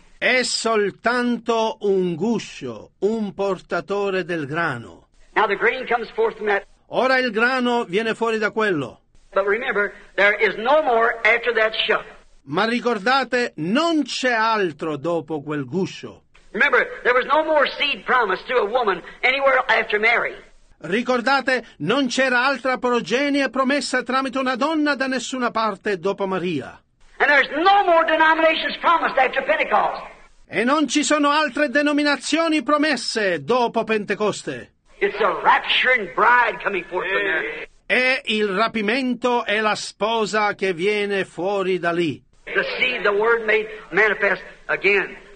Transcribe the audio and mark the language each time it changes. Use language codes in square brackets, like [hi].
[it] È soltanto un guscio, un portatore del grano. [en] Now the grain comes forth from that. [it] Ora il grano viene fuori da quello. [en] But remember, there is no more after that shuck. [it] Ma ricordate, non c'è altro dopo quel guscio. [en] Remember, there was no more seed promised to a woman anywhere after Mary. [it] Ricordate, non c'era altra progenie promessa tramite una donna da nessuna parte dopo Maria. [en] And there's no more denominations promised after Pentecost. [it] E non ci sono altre denominazioni promesse dopo Pentecoste. [en] It's a rapturing bride coming forth from there. [it] È il rapimento e la sposa che viene fuori da lì. [en] The seed, the word made manifest again.